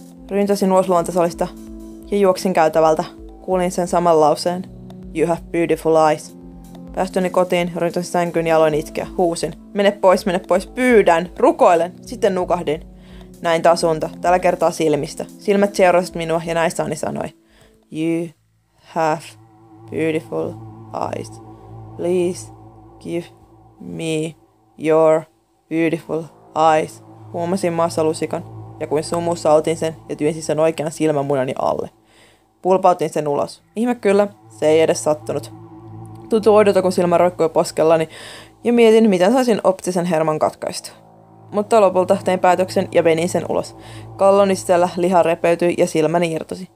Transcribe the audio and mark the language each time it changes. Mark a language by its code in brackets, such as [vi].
[fi] Ryntäsin ulos luontosalista ja juoksin käytävältä. Kuulin sen saman lauseen: [en] "You have beautiful eyes." [fi] Päästöni kotiin, ryntäsin sänkyyn ja aloin itkeä. Huusin: mene pois, pyydän, rukoilen." Sitten nukahdin. Näin taas unta, tällä kertaa silmistä. Silmät seurasivat minua ja näissäni sanoi: [en] "You have beautiful eyes. Please give me your beautiful eyes." [fi] Huomasin maassa lusikan ja kuin sumussa otin sen ja työnsin sen oikean silmämunani alle. Pulpautin sen ulos. Ihme kyllä, se ei edes sattunut. Tuntui oudolta, kun silmä roikkui poskellani ja mietin, miten saisin optisen herman katkaistu. Mutta lopulta tein päätöksen ja venin sen ulos. Kalloni sisällä liha repeytyi ja silmäni irtosi.